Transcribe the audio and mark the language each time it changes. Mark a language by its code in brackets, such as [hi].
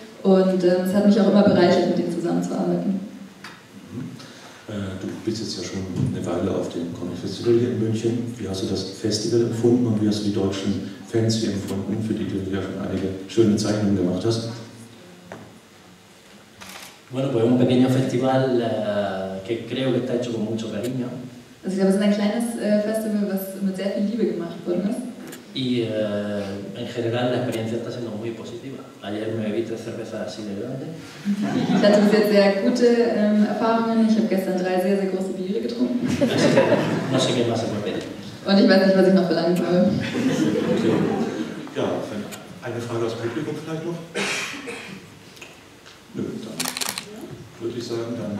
[de] Und es hat mich auch immer bereichert, mit ihnen zusammenzuarbeiten. Du bist jetzt ja schon eine Weile auf dem Comic Festival hier in München. Wie hast du das Festival empfunden und wie hast du die deutschen Fans hier empfunden, für die du ja schon einige schöne Zeichnungen gemacht hast? [es] Bueno, pues un pequeño festival que creo que está hecho con mucho cariño. [de] Also ich glaube, es ist ein kleines Festival, was mit sehr viel Liebe gemacht worden ist. [es] Y en general la experiencia está siendo muy positiva. Ayer me bebí 3 cervezas así de grande. [de] Ich hatte bis jetzt sehr gute Erfahrungen. Ich habe gestern 3 sehr, sehr große Biere getrunken. [es] No sé qué más se me pide. [de] Und ich weiß nicht, was ich noch verlangen soll. Okay. Ja, eine Frage aus Publikum vielleicht noch? Nö, dann würde ich sagen, dann...